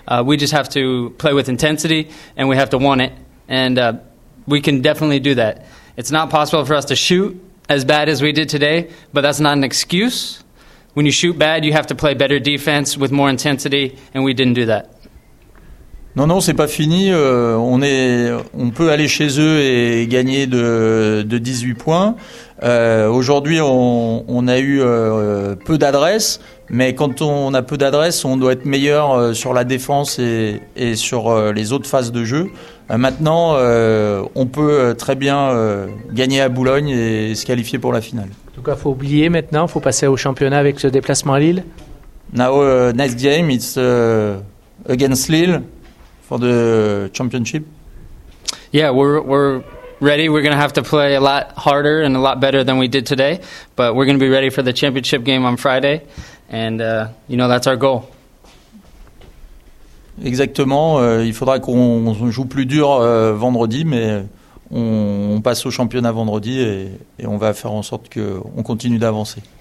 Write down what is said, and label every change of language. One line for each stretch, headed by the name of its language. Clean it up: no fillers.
English: We just have to play with intensity and we have to want it. And we can definitely do that. It's not possible for us to shoot as bad as we did today, but that's not an excuse. When you shoot bad, you have to play better defense with more intensity, and we didn't do that.
French: Non, c'est pas fini. On peut aller chez eux et gagner de 18 points. Aujourd'hui, on a eu peu d'adresse, mais quand on a peu d'adresse, on doit être meilleur sur la défense et sur les autres phases de jeu. Maintenant, on peut très bien gagner à Boulogne et se qualifier pour la finale. En tout cas, faut oublier maintenant, faut passer au championnat avec ce déplacement à Lille.
English: Now, next game, it's against Lille for the championship. Yeah, we're ready. We're going to have to play a lot harder and a lot better than we did today, but we're going to be ready for the championship game on Friday, and that's our goal.
French: Exactement, il faudra qu'on joue plus dur vendredi, mais on passe au championnat vendredi et on va faire en sorte qu'on continue d'avancer.